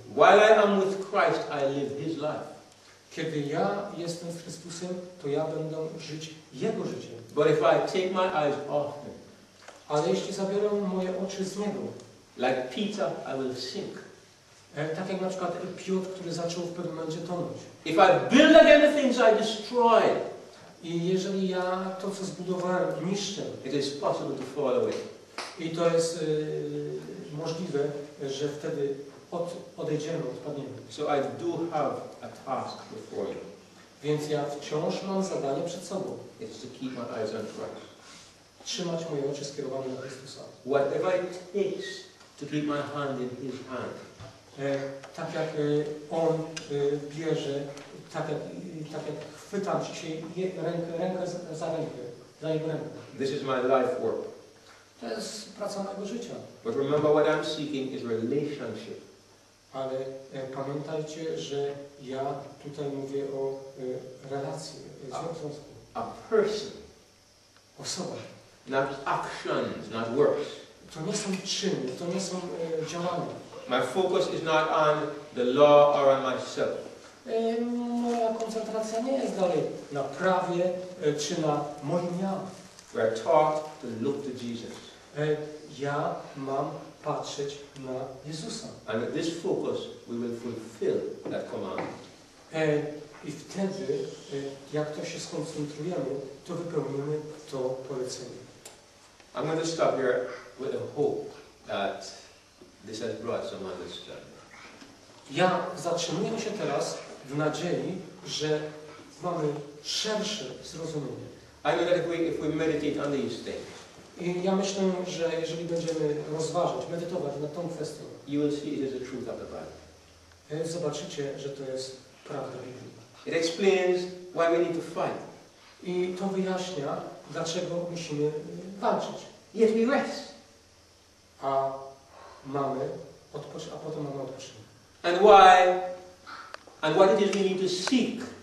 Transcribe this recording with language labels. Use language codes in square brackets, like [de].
[en] While I am with Christ, I live His life. [pl] Kiedy ja jestem z Chrystusem, to ja będę żyć Jego życiem. [en] But if I take my eyes off Him, [pl] ale jeśli zabiorę moje oczy z Niego, [en] like Peter, I will sink. [pl] Tak jak na przykład Piotr, który zaczął w pewnym momencie tonąć. [en] If I build again the things I destroyed, [pl] i jeżeli ja to, co zbudowałem, niszczę, [en] it is possible to fall away. [pl] I to jest możliwe, że wtedy odejdziemy, odpadniemy. [en] So I do have a task before you. [pl] Więc ja wciąż mam zadanie przed sobą. [en] It's to keep my eyes on Christ. [pl] Trzymać moje oczy skierowane na Chrystusa. [en] Whatever it takes to keep my hand in His hand. [pl] Tak jak on bierze, tak jak chwytam się rękę za rękę, za jego rękę. [en] This is my life work. [pl] To jest praca mojego życia. [en] But remember what I'm seeking is relationship. [pl] Ale pamiętajcie, że ja tutaj mówię o relacji, związku. [en] A person. [pl] Osoba. [en] Not actions, not works. [pl] To nie są czyny, to nie są działania. [en] My focus is not on the law or on myself. [pl] Moja koncentracja nie jest dalej na prawie czy na moim ja. [en] We are taught to look to Jesus. [pl] Ja mam patrzeć na Jezusa. [en] And with this focus we will fulfill that command. [pl] I wtedy, jak to się skoncentrujemy, to wypełnimy to polecenie. [en] I'm going to stop here with the hope that this has brought some understanding. [pl] Ja zatrzymuję się teraz w nadziei, że mamy szersze zrozumienie. [en] I know that if we meditate on these things. [pl] I ja myślę, że jeżeli będziemy rozważać, medytować nad tą kwestią, [en] you will see it is the truth of the Bible. [pl] Zobaczycie, że to jest prawda Biblii. [en] It explains why we need to fight. [pl] I to wyjaśnia, dlaczego musimy walczyć. [en] Yet we rest. [pl] A mamy odpoczynek, a potem mamy odpoczynek. [en] And why? And what it is we need to seek?